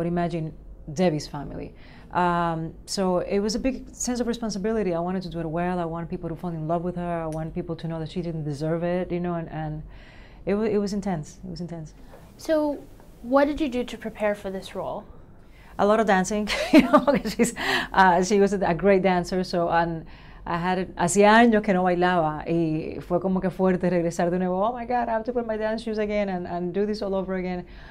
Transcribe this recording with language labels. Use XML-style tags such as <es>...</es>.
<en>But imagine Debbie's family. So it was a big sense of responsibility. I wanted to do it well. I wanted people to fall in love with her. I wanted people to know that she didn't deserve it, you know, and it was intense. It was intense. So what did you do to prepare for this role? A lot of dancing, you know, she was a great dancer. So I had,</en> <es>hacía años que no bailaba, y fue como que fuerte regresar de nuevo.</es> <en>Oh my God, I have to put my dance shoes again and do this all over again.</en>